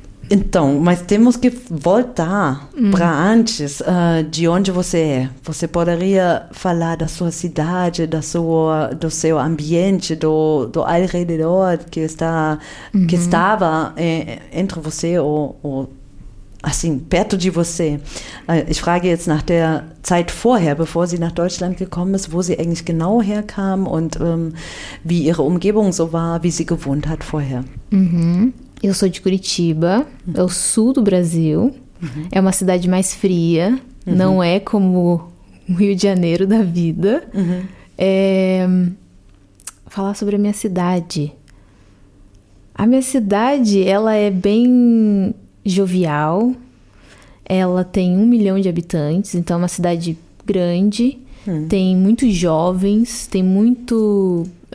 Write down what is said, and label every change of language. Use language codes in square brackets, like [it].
[pt] Então, mas temos que voltar para antes de onde você é. Você poderia falar da sua cidade, do seu ambiente, do alrededor que está, que estava entre você ou assim, perto de você. [de] Ich frage jetzt nach der Zeit vorher, bevor sie nach Deutschland gekommen ist, wo sie eigentlich genau herkam und wie ihre Umgebung so war, wie sie gewohnt hat vorher. [pt] Eu sou de Curitiba, é o sul do Brasil, é uma cidade mais fria, não é como o Rio de Janeiro da vida. É... Falar sobre a minha cidade. A minha cidade, ela é bem jovial, ela tem 1 milhão de habitantes, então é uma cidade grande, tem muitos jovens, tem muito...